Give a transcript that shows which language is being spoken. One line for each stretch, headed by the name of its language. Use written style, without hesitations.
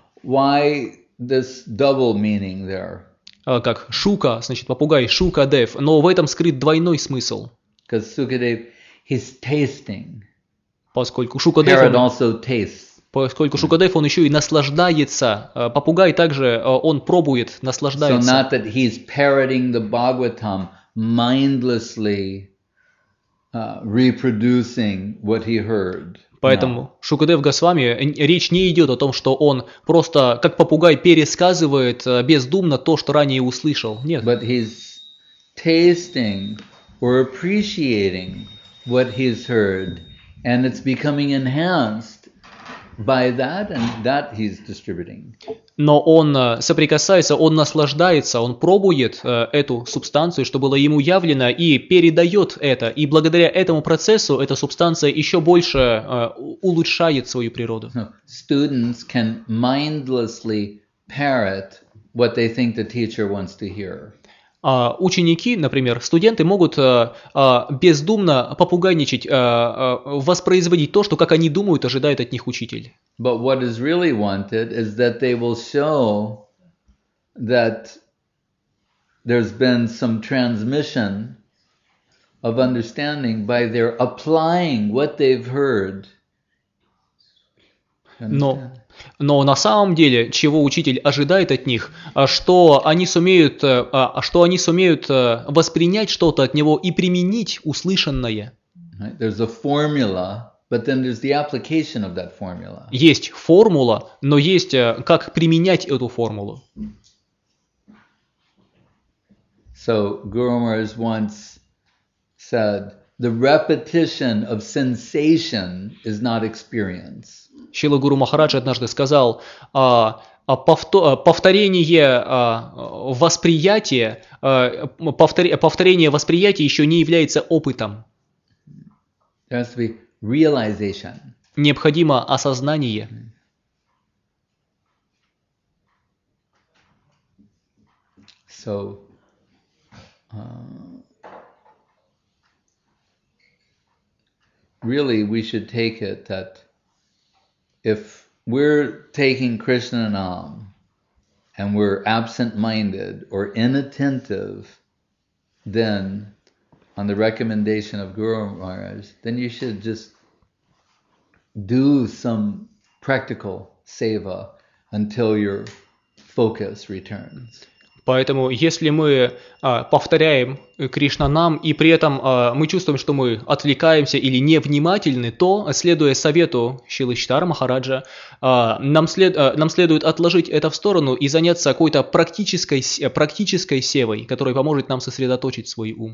English: Why this double meaning there?
Russian: Как Шука, значит попугай, Шукадев, но в этом скрыт двойной смысл.
English: Because Sukadev, he's tasting.
Russian: Поскольку Шукадев,
English: Parrot also tastes.
Russian: Поскольку Шукадев, он еще и наслаждается. Попугай также, он пробует, наслаждается.
English: So not that he's parroting the Bhagavatam, mindlessly reproducing what he heard.
Russian: Поэтому Шукадев Госвами, речь не идет о том, что он просто, как попугай, пересказывает бездумно то, что ранее услышал. Нет.
English: But he's tasting or appreciating what he's heard, and it's becoming enhanced by that, and that he's distributing.
Russian: Но он соприкасается, он наслаждается, он пробует эту субстанцию, что было ему явлено, и передает это. И благодаря этому процессу эта субстанция еще больше улучшает свою природу.
English: So, students can mindlessly parrot what they think the teacher wants to hear.
Russian: Ученики, например, студенты могут бездумно попугайничать, воспроизводить то, что, как они думают, ожидает от них учитель.
English: But what is really wanted is that they will show that there's been some transmission of understanding by their applying what they've heard.
Russian: Но на самом деле, чего учитель ожидает от них, что они сумеют воспринять что-то от него и применить услышанное. Есть формула, но есть как применять эту формулу.
English: So, Guru Maharaj once said, the repetition of sensation is not experience.
Russian: Шрила Гуру Махарадж однажды сказал, повторение восприятия еще не является опытом.
English: There has to be realization.
Russian: Необходимо осознание.
English: So, really, we should take it that if we're taking Krishna Nam and we're absent-minded or inattentive, then on the recommendation of Guru Maharaj, then you should just do some practical seva until your focus returns.
Russian: Поэтому, если мы повторяем Кришна нам, и при этом мы чувствуем, что мы отвлекаемся или невнимательны, то, следуя совету Шрилы Чайтанья Махараджа, нам следует отложить это в сторону и заняться какой-то практической севой, которая поможет нам сосредоточить свой ум.